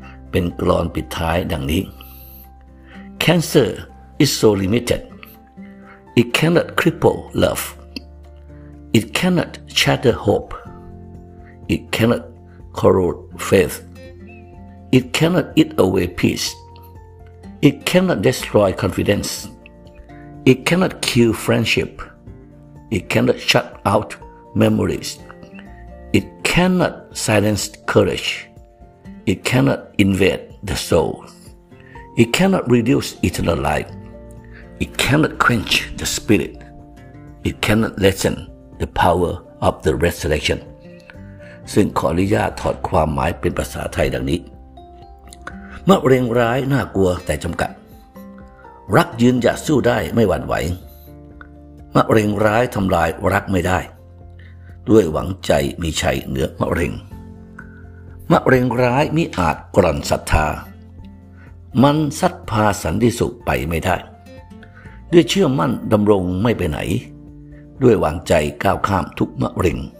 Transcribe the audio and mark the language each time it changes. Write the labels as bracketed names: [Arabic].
[English] เป็นกลอนปิดท้ายดังนี้ Cancer is so limited It cannot cripple love It cannot shatter hope It cannot corrode faith It cannot eat away peace It cannot destroy confidenceIt cannot kill friendship. It cannot shut out memories. It cannot silence courage. It cannot invade the soul. It cannot reduce eternal life. It cannot quench the spirit. It cannot lessen the power of the resurrection. [Thai] ซึ่งขออนุญาตถอดความหมายเป็นภาษาไทยดังนี้มะเร็งร้ายน่ากลัวแต่จำกัดรักยืนหยัดสู้ได้ไม่หวั่นไหวมะเร็งร้ายทำลายรักไม่ได้ด้วยหวังใจมีชัยเหนือมะเร็งมะเร็งร้ายมิอาจกร่อนศรัทธามันซัดพาสันติสุขไปไม่ได้ด้วยเชื่อมั่นดำรงไม่ไปไหนด้วยหวังใจก้าวข้ามทุกมะเร็ง